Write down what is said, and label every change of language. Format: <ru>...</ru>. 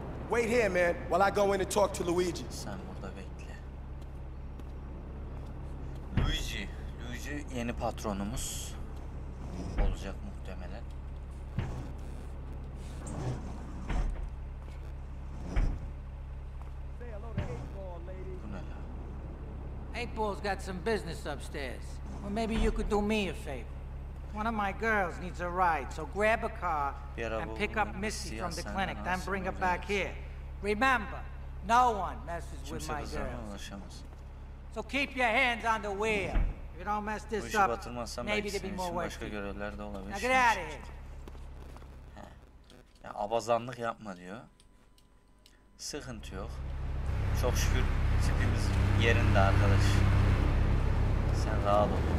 <en>Wait here, man, while I go in and talk to Luigi.</en> <tr>Sen burada bekle. Luigi. Luigi yeni patronumuz olacak muhtemelen.</tr> <en>Say hello to 8-Ball, lady.</en> <tr>Bu ne la?</tr> <en>8-Ball's got some business upstairs. Well, maybe you could do me a favor. One of my girls needs a ride, so grab a car and pick up Missy from the clinic, then bring her back here. Remember, no one messes with my girls. So keep your hands on the wheel. If you don't mess this up, maybe there'll be more work.</en> <tr>Başka görevler de olabilir.</tr> <en>Now get out of here.</en> <tr>Ya abazanlık yapma diyor. Sıkıntı yok. Çok şükür tipimiz yerinde arkadaş. Sen rahat ol.</tr>